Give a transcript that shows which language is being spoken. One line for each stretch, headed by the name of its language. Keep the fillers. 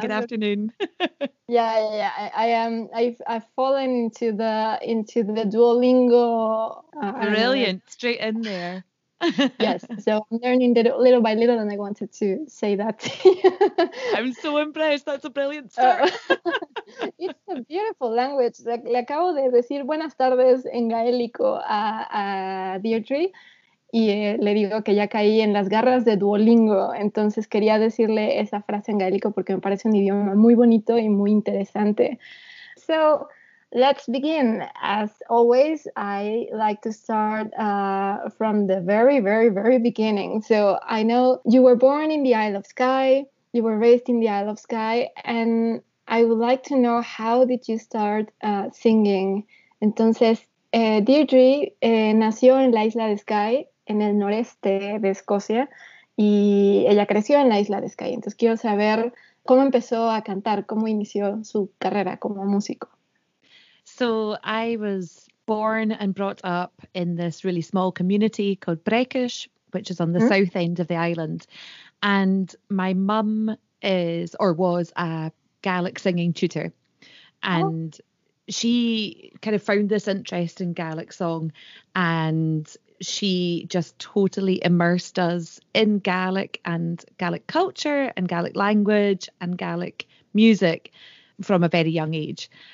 English: Good but, afternoon. yeah, yeah, yeah. I, I, am. I've, I've fallen into the into the Duolingo. Um, Brilliant. Straight in there. Sí, yes, so que learning little, little by little and i wanted to say that i'm so impressed that's a brilliant start oh. it's a beautiful language
Spanish: le acabo de decir buenas tardes en gaélico a, a deirdre y eh, le digo que ya caí en las garras de duolingo entonces quería decirle esa frase en gaélico porque me parece un idioma muy bonito y muy interesante
English: so, let's begin. As always, I like to start uh, from the very, very, very beginning. So I know you were born in the Isle of Skye, you were raised in the Isle of Skye, and I would like to know how did you start uh, singing?
Spanish: Entonces, eh, Deirdre eh, nació en la Isla de Skye, en el noreste de Escocia, y ella creció en la Isla de Skye. Entonces, quiero saber cómo empezó a cantar, cómo inició su carrera como músico
English: so I was born and brought up in this really small community called Brekish, which is on the mm -hmm. south end of the island. And my mum is or was a Gaelic singing tutor. And oh. she kind of found this interest in Gaelic song and she just totally immersed us in Gaelic and Gaelic culture and Gaelic language and Gaelic music from a very young age.